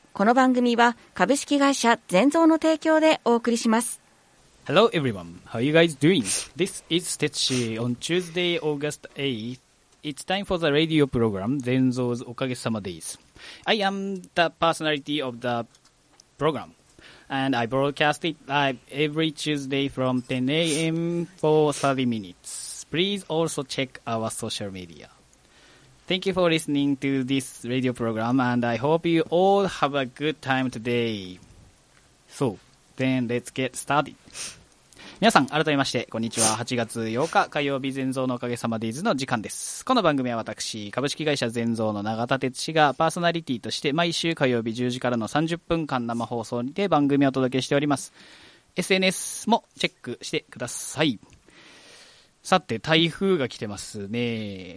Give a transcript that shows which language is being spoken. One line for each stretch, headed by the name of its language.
Japanese: この番組は株式会社全蔵の提供でお送りします。
English: Hello everyone, how are you guys doing? This is Tetsuji. On Tuesday, August 8th, it's time for the radio program 全蔵 's おかげさまデイズ。 I am the personality of the program and I broadcast it live every Tuesday from 10 a.m. for 30 minutes. Please also check our social mediaThank you for listening to this radio program, and I hope you all have a good time today. So, then let's get started.
Japanese: 皆さん、改めまして、こんにちは。8月8日火曜日、全蔵のおかげさまデイズの時間です。この番組は私、株式会社全蔵の永田哲司がパーソナリティとして毎週火曜日10時からの30分間生放送にて番組をお届けしております。 SNS もチェックしてください。さて、台風が来てますね。